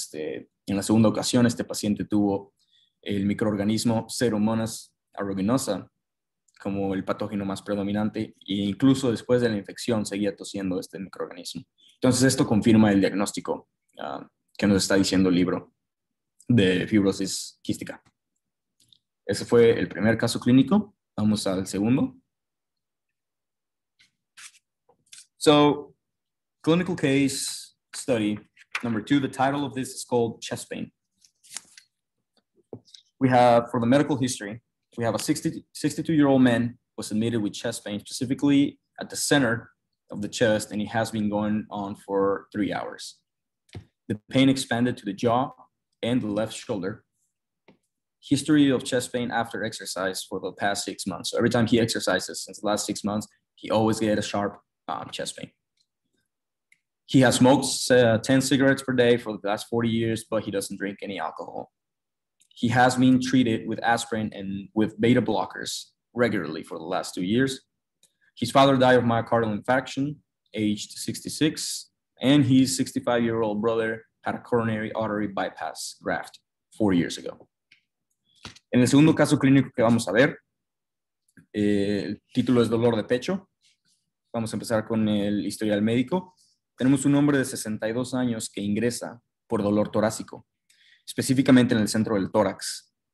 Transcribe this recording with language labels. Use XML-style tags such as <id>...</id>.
<es>En la segunda ocasión, este paciente tuvo el microorganismo Pseudomonas aeruginosa como el patógeno más predominante, e incluso después de la infección seguía tosiendo este microorganismo. Entonces, esto confirma el diagnóstico que nos está diciendo el libro de fibrosis quística. Ese fue el primer caso clínico. Vamos al segundo.</es> <en>So, clinical case study number two, the title of this is called chest pain. We have, for the medical history, we have a 62-year-old man was admitted with chest pain, specifically at the center of the chest, and it has been going on for 3 hours. The pain expanded to the jaw and the left shoulder. History of chest pain after exercise for the past 6 months. So every time he exercises since the last 6 months, he always gets a sharp chest pain. He has smoked 10 cigarettes per day for the last 40 years, but he doesn't drink any alcohol. He has been treated with aspirin and with beta blockers regularly for the last 2 years. His father died of myocardial infarction, aged 66, and his 65-year-old brother had a coronary artery bypass graft 4 years ago.</en> <es>En el segundo caso clínico que vamos a ver, el título es dolor de pecho. Vamos a empezar con el historial médico. Tenemos un hombre de 62 años que ingresa por dolor torácico, específicamente en el centro del tórax.</es>